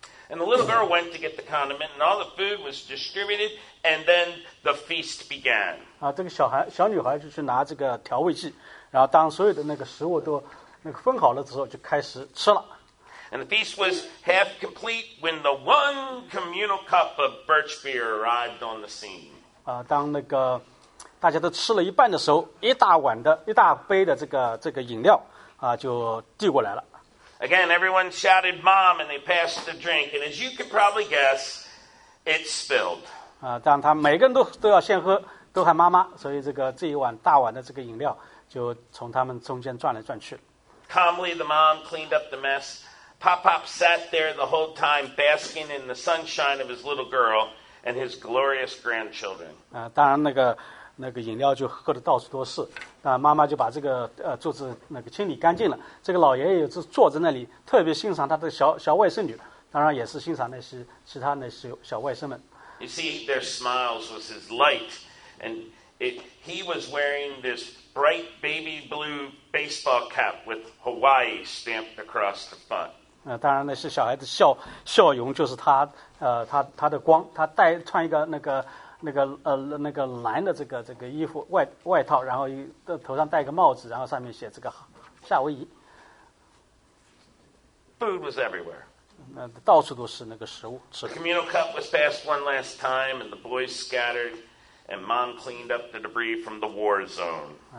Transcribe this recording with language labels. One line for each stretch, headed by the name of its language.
English: And the little girl went to get the condiment, and all the food was distributed, and then the feast began.
Chinese: 啊，这个小女孩就去拿这个调味剂，然后当所有的那个食物都那个分好了之后，就开始吃了。
English: And the feast was half complete when the one communal cup of birch beer arrived on the scene.
Chinese: 啊，当那个大家都吃了一半的时候，一大碗的一大杯的这个饮料啊，就递过来了。
English: Again, everyone shouted "Mom!" and they passed the drink. And as you could probably guess, it spilled.
Chinese: 啊，当他每个人都要先喝，都喊妈妈，所以这一碗大碗的这个饮料就从他们中间转来转去。
English: Calmly, the mom cleaned up the mess. Pop-Pop sat there the whole time, basking in the sunshine of his little girl and his glorious grandchildren.
Chinese: 啊，当然那个饮料就喝得到处都是，那妈妈就把这个桌子那个清理干净了。这个老爷爷就坐在那里，特别欣赏他的小外甥女，当然也是欣赏那些其他那些小外甥们。
English: You see, their smiles was his light, and he was wearing this bright baby blue baseball cap with Hawaii stamped across the front.
Chinese: 当然那些小孩子笑容就是他的光，他穿一个那个蓝的这个衣服外套，然后头上戴个帽子，然后上面写这个夏威夷。
English: Food was everywhere.
Chinese: 那到处都是那个食物。
English: The communal cup was passed one last time, and the boys scattered, and Mom cleaned up the debris from the war zone.